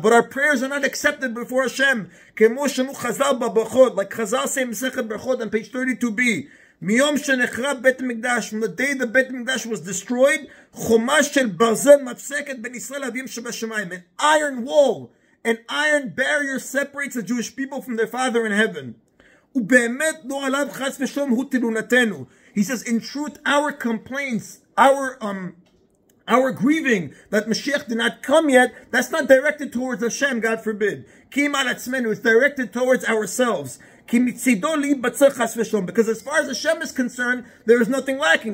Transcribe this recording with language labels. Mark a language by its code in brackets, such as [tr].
[en] But our prayers are not accepted before Hashem. [he] כמו שמו חזל בברכות, like חזל say מסכת ברכות [en] on page 32b. [he] מיום שנחרב בית המקדש, [en] from the day the בית המקדש was destroyed, [he] חומה של ברזל מפסקת בין ישראל לאבים שבשמיים. [en] An iron wall, an iron barrier separates the Jewish people from their father in heaven. [he] ובאמת לא עליו חס ושלום הוא תלונתנו. [en] He says, in truth, our complaints, our grieving that Mashiach did not come yet, that's not directed towards Hashem, God forbid. [he] כי אם על עצמנו, [en] it's directed towards ourselves. Because as far as Hashem is concerned, there is nothing lacking.